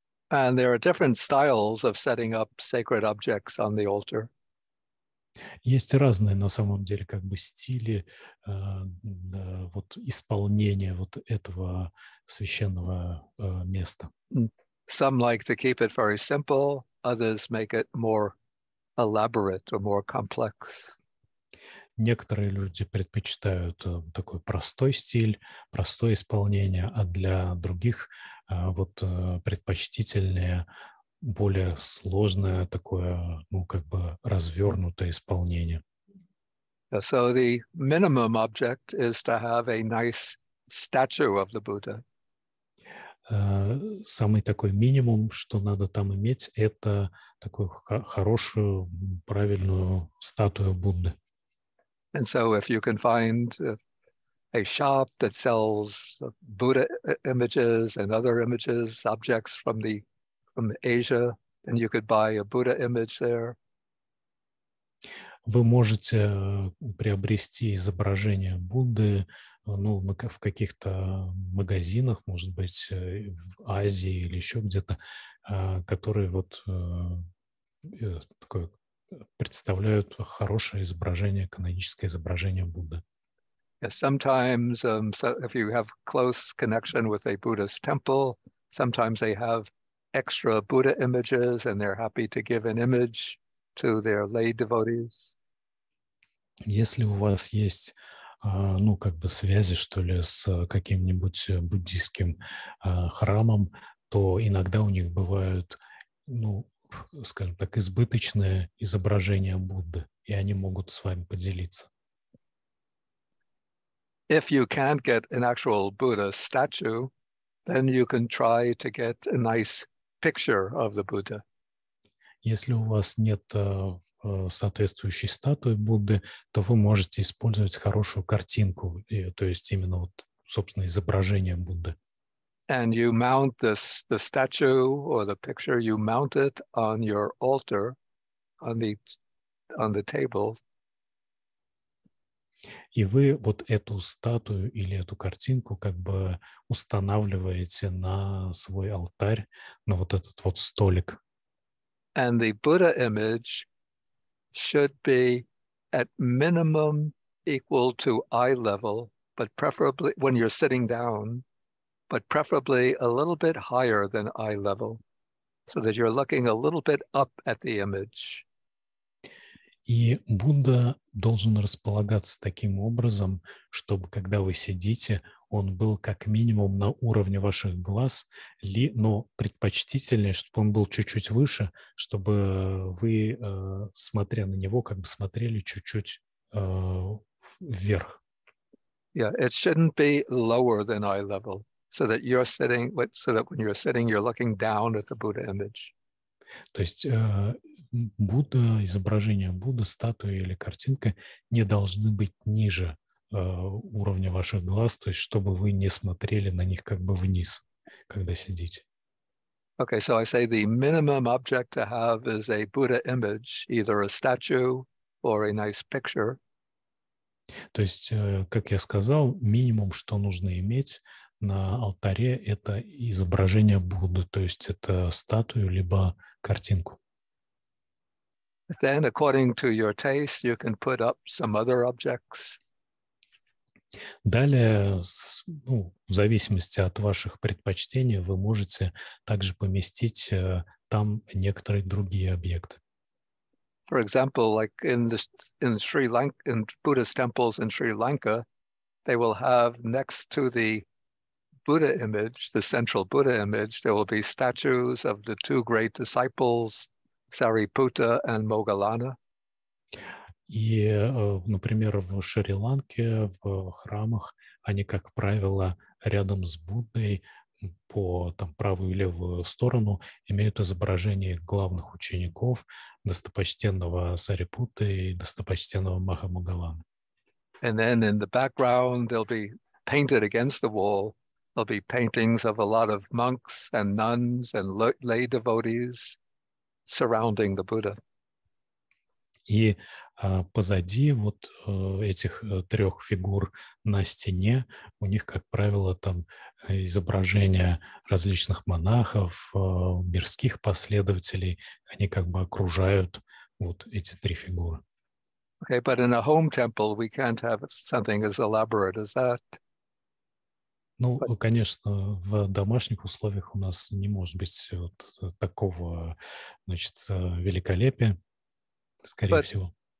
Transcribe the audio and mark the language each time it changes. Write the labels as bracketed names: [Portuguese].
[English] And there are different styles of setting up sacred objects on the altar. [Russian] Есть разные, на самом деле, как бы стили вот исполнения вот этого священного места. [English] Some like to keep it very simple, others make it more elaborate or more complex. [Russian] Некоторые люди предпочитают такой простой стиль, простое исполнение, а для других вот предпочтительнее, более сложное такое, ну, как бы развернутое исполнение. [English] So the minimum object is to have a nice statue of the Buddha. [Russian] самый такой минимум, что надо там иметь, это такую хорошую, правильную статую Будды. [English] And so if you can find a shop that sells Buddha images and other images, objects from Asia, then you could buy a Buddha image there. [Russian] Вы можете приобрести изображение Будды, ну, в каких-то магазинах, может быть, в Азии или еще где-то, которые вот такое, представляют хорошее изображение, каноническое изображение Будды. [English] Yes, sometimes, so if you have close connection with a Buddhist temple, sometimes they have extra Buddha images, and they're happy to give an image to their lay devotees. [Russian] Если у вас есть, ну, как бы связи, что ли, с каким-нибудь буддийским храмом, то иногда у них бывают, ну, скажем так, избыточные изображения Будды, и они могут с вами поделиться. [English] If you can't get an actual Buddha statue, then you can try to get a nice picture of the Buddha. [Russian] Если у вас нет соответствующей статуи Будды, то вы можете использовать хорошую картинку, то есть именно вот, собственно, изображение Будды. [English] And you mount this, the statue or the picture, you mount it on your altar, on the table. [Russian] И вы вот эту статую или эту картинку как бы устанавливаете на свой алтарь, на вот этот вот столик. [English] And the Buddha image should be at minimum equal to eye level, but preferably when you're sitting down, but preferably a little bit higher than eye level, so that you're looking a little bit up at the image. [Russian] И Будда должен располагаться таким образом, чтобы когда вы сидите, он был как минимум на уровне ваших глаз, но предпочтительнее, чтобы он был чуть-чуть выше, чтобы вы, смотря на него, как бы смотрели чуть-чуть вверх. [English] Yeah, it shouldn't be lower than eye level, so that you're sitting, so that when you're sitting, you're looking down at the Buddha image. [Russian] То есть Будда, изображение Будды, статуя или картинка не должны быть ниже уровня ваших глаз, то есть чтобы вы не смотрели на них как бы вниз, когда сидите. [English] Okay, so I say the minimum object to have is a Buddha image, either a statue or a nice picture. [Russian] То есть, как я сказал, минимум, что нужно иметь на алтаре, это изображение Будды, то есть это статую либо картинку. [English] Then, according to your taste, you can put up some other objects. [Russian] Далее, ну, в зависимости от ваших предпочтений, вы можете также поместить там некоторые другие объекты. [English] For example, like in Sri Lanka, in Buddhist temples in Sri Lanka, they will have next to the Buddha image, the central Buddha image, there will be statues of the two great disciples, Sariputta and Moggallana. [Russian] И, например, в Шри-Ланке, в храмах, они, как правило, рядом с Буддой, по там, правую и левую сторону, имеют изображение главных учеников, достопочтенного Сарипутты и достопочтенного Махамоггалланы. [English] And then in the background, they'll be painted against the wall. There'll be paintings of a lot of monks and nuns and lay devotees surrounding the Buddha. [Russian] И позади вот этих трех фигур на стене у них, как правило, там изображения различных монахов, мирских последователей, они как бы окружают вот эти три фигуры. [English] Okay, but in a home temple we can't have something as elaborate as that. [Russian] Ну, конечно, в домашних условиях у нас не может быть вот такого, значит, великолепия, скорее всего.